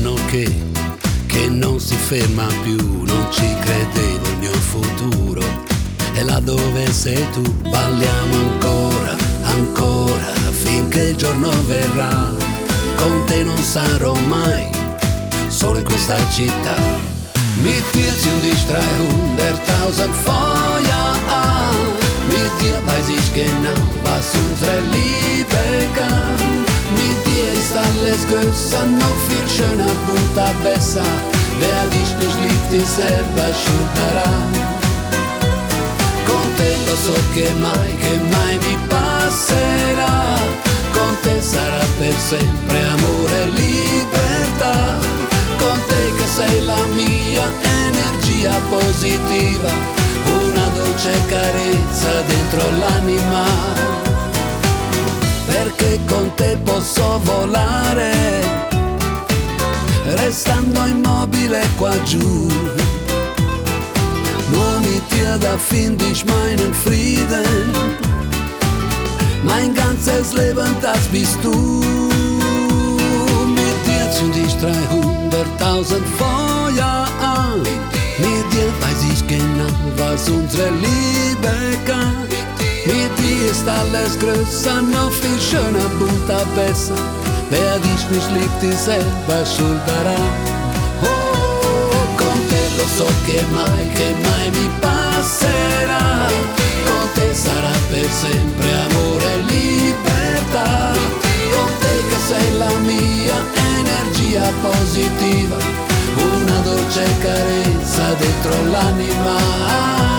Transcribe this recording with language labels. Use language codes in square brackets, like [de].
[it] Che non si ferma più, non ci credevo il mio futuro. E là dove sei tu, balliamo ancora, ancora, finché il giorno verrà. Con te non sarò mai, solo in questa città. [de] Mit dir zünd ich 300.000 Feuer an. Mit dir weiß ich genau, was unsere Liebe kann. Alles größer, noch viel schöner, bunter, besser. Wer dich nicht liebt, ist selber schuld daran. [it] Con te lo so che mai mi passerà. Con te sarà per sempre amore e libertà. Con te che sei la mia energia positiva. Una dolce carezza dentro l'anima. Perché con te posso volare, restando immobile qua giù. [de] Nur mit dir, da find ich meinen Frieden. Mein ganzes Leben, das bist du. Mit dir zünd ich 300.000 Feuer an. Mit dir weiß ich genau, was unsere Liebe kann. Mit dir ist alles größer, noch viel schöner, bunter, besser. Wer dich nicht liebt, ist selber schuld daran. [it] Oh, con te lo so che mai mi passerà. Con te sarà per sempre amore e libertà. Con te che sei la mia energia positiva. Una dolce carezza dentro l'anima.